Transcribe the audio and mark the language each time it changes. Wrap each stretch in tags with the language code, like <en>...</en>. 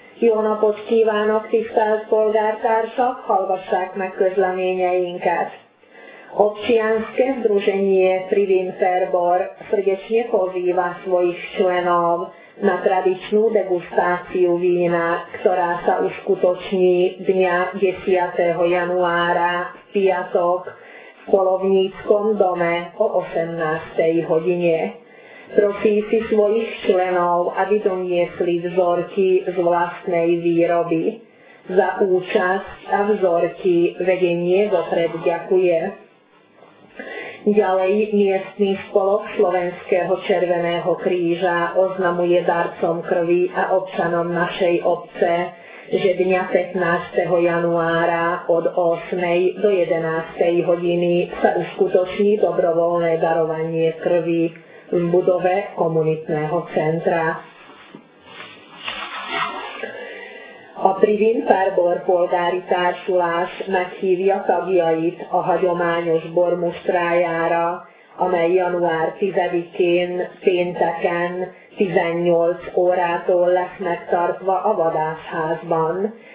<hu>Jóna počkívánok tisztelt polgártársak, hallgassák meg közleményeinket.</hu> <sk>Občianske združenie Privin Ferbor srdečne pozýva svojich členov na tradičnú degustáciu vína, ktorá sa uskutoční dňa 10. januára v piatok v Polovníckom dome o 18. hodine. Prosí si svojich členov, aby doniesli vzorky z vlastnej výroby. Za účasť a vzorky vedenie vopred ďakuje. Ďalej miestny spolok Slovenského Červeného kríža oznamuje darcom krvi a občanom našej obce, že dňa 15. januára od 8. do 11. hodiny sa uskutoční dobrovoľné darovanie krvi v budove komunitného centra.</sk> <hu>A Privin Ferbor polgári társulás meghívja tagjait a hagyományos bormustrájára, amely január 10-én, pénteken 18 órától lesz megtartva a vadászházban.</hu>